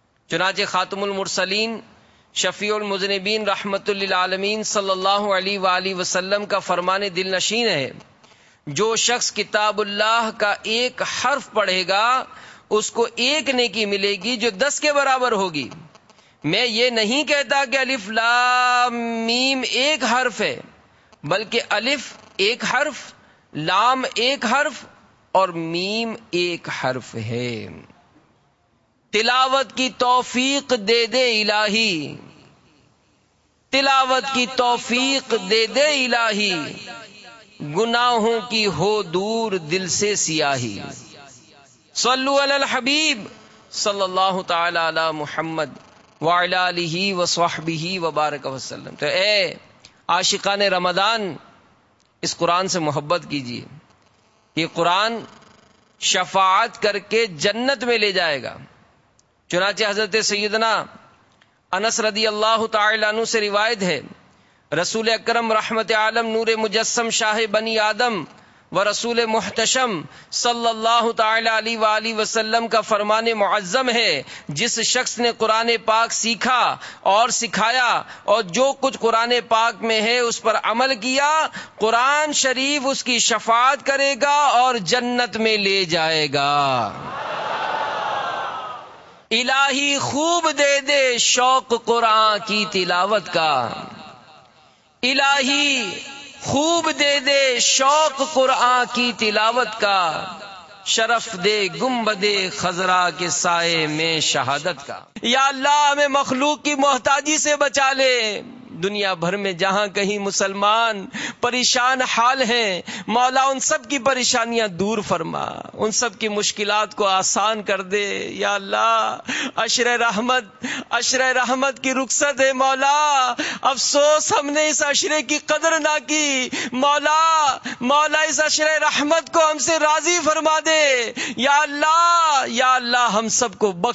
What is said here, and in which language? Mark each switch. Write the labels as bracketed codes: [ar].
[ur] چنانچہ خاتم المرسلین شفیع المذنبین رحمت للعالمین صلی اللہ علیہ وآلہ وسلم کا فرمان دل نشین ہے, جو شخص کتاب اللہ کا ایک حرف پڑھے گا اس کو ایک نیکی ملے گی جو 10 کے برابر ہوگی. میں یہ نہیں کہتا کہ الف لام میم ایک حرف ہے, بلکہ الف ایک حرف, لام ایک حرف, اور میم ایک حرف ہے. تلاوت کی توفیق دے دے الہی, تلاوت کی توفیق دے دے الہی, گناہوں کی ہو دور دل سے سیاہی. [ar] صلوا علی الحبیب صلی اللہ تعالی علی محمد وعلی آلہ وصحبہ وبارک وسلم. [ur] تو اے عاشقان رمضان, اس قرآن سے محبت کیجئے, یہ قرآن شفاعت کر کے جنت میں لے جائے گا. چنانچہ حضرت سیدنا انس رضی اللہ تعالی عنہ سے روایت ہے, رسول اکرم رحمت عالم نور مجسم شاہ بنی آدم و رسول محتشم صلی اللہ تعالی علیہ وآلہ وسلم کا فرمان معظم ہے, جس شخص نے قرآن پاک سیکھا اور سکھایا اور جو کچھ قرآن پاک میں ہے اس پر عمل کیا, قرآن شریف اس کی شفاعت کرے گا اور جنت میں لے جائے گا. الہی خوب دے دے شوق قرآن کی تلاوت کا. الہی خوب دے دے شوق قرآن کی تلاوت کا، شرف دے گنبد خضرا کے سائے میں شہادت کا۔ یا اللہ ہمیں مخلوق کی محتاجی سے بچا لے، دنیا بھر میں جہاں کہیں مسلمان پریشان حال ہیں، مولا ان سب کی پریشانیاں دور فرما، ان سب کی مشکلات کو آسان کر دے۔ یا اللہ عشر رحمت کی رخصت ہے مولا، افسوس ہم نے اس عشرے کی قدر نہ کی، مولا اس عشر رحمت کو ہم سے راضی فرما دے۔ یا اللہ ہم سب کو